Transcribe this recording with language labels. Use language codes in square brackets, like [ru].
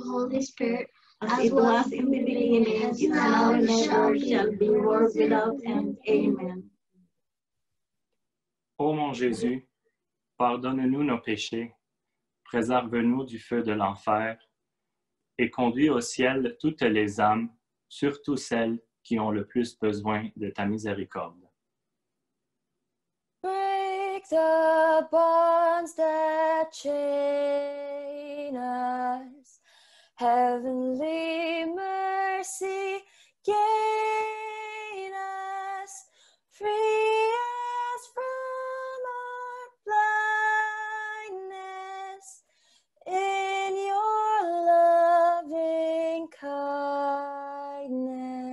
[en] As it was in the beginning, is now and ever shall be, world without end. Amen. [fr] Ô mon Jésus, pardonne-nous nos péchés, préserve-nous du feu de l'enfer, et conduis au ciel toutes les âmes, surtout celles qui ont le plus besoin de ta miséricorde. [en] Break the bonds that chain us, heavenly mercy gain us, free us from our blindness, in your loving kindness.